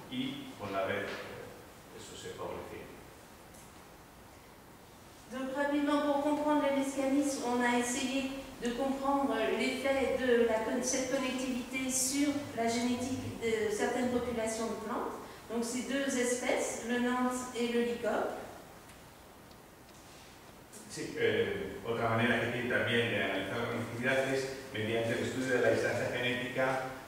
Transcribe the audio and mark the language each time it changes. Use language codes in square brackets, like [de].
[es] Y con la red eso se favorecía. [fr] Donc rapidement, pour comprendre le mécanisme, on a essayé de comprendre l'effet de cette connectivité sur la génétique de certaines populations de plantes. Donc ces deux espèces, le Nantes et le Lycop. [es] Sí, otra manera que tiene también de analizar la conectividad es mediante el estudio de la distancia genética